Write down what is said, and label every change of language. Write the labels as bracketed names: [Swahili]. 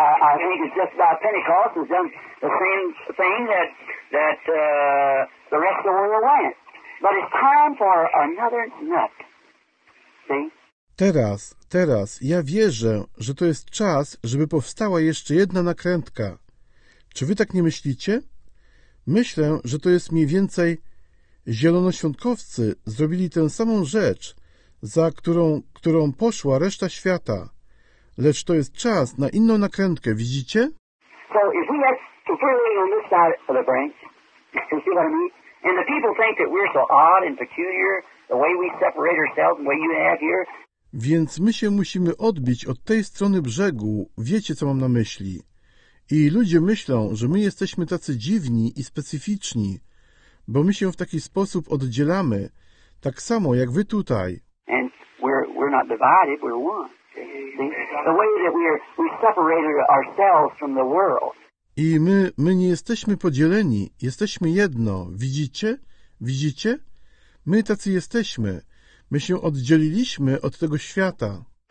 [English] I think it's just about Pentecost has done the same thing that the rest of the world went. But it's time for another nut. See? [Polish] Teraz, ja wierzę, że to jest czas, żeby powstała jeszcze jedna nakrętka. Czy wy tak nie myślicie? Myślę, że to jest mniej więcej zielonoświątkowcy zrobili tę samą rzecz, za którą poszła reszta świata. Lecz to jest czas na inną nakrętkę, widzicie? [English] So if we have to fill in on this side of the branch, you see what I mean? And the people think that we're so odd and peculiar, the way we separate ourselves, the way you have here. [Polish] Więc my się musimy odbić od tej strony brzegu, wiecie, co mam na myśli. I ludzie myślą, że my jesteśmy tacy dziwni i specyficzni, bo my się w taki sposób oddzielamy, tak samo jak wy tutaj. [English] And we're not divided, we're one. See? The way that we separated ourselves from the world. [Polish] I my nie jesteśmy podzieleni, jesteśmy jedno, widzicie? Widzicie? My tacy jesteśmy. My się oddzieliliśmy od tego świata.